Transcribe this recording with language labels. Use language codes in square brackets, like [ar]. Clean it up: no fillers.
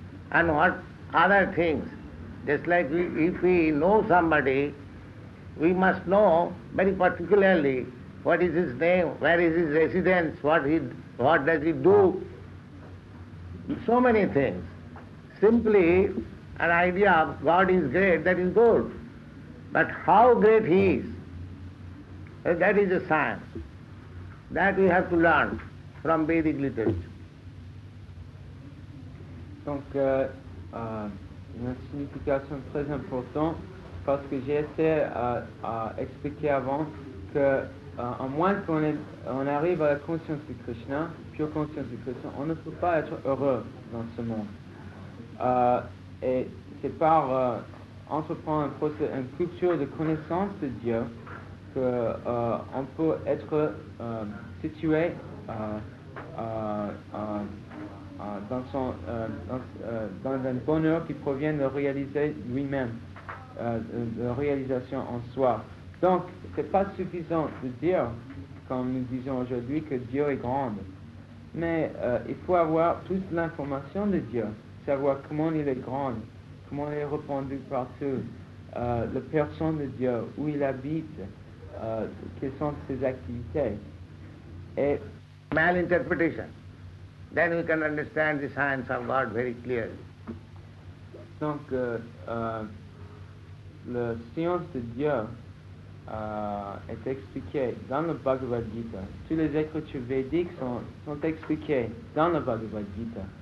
[en] And what other things? Just like if we know somebody, we must know very particularly what is his name, where is his residence, what does he do. So many things. Simply an idea of God is great, that is good. But how great he is, that is a science. That we have to learn from Vedic literature. [fr] Donc, une signification très importante, parce que j'ai essayé à expliquer avant que, à moins qu'on arrive à la conscience de Krishna, pure conscience de Krishna, on ne peut pas être heureux dans ce monde. Et c'est par entreprendre une culture de connaissance de Dieu qu'on peut être situé dans un bonheur qui provient de réaliser lui-même, de réalisation en soi. Donc, ce n'est pas suffisant de dire, comme nous disons aujourd'hui, que Dieu est grand. Mais il faut avoir toute l'information de Dieu, savoir comment il est grand, comment il est répandu partout, la personne de Dieu, où il habite, quelles sont ses activités. Et mal interprétation. [en] Then we can understand the science of God very clearly. [fr] Donc, la science de Dieu est expliquée dans le Bhagavad Gita. Tous les écritures védiques sont expliquées dans le Bhagavad Gita.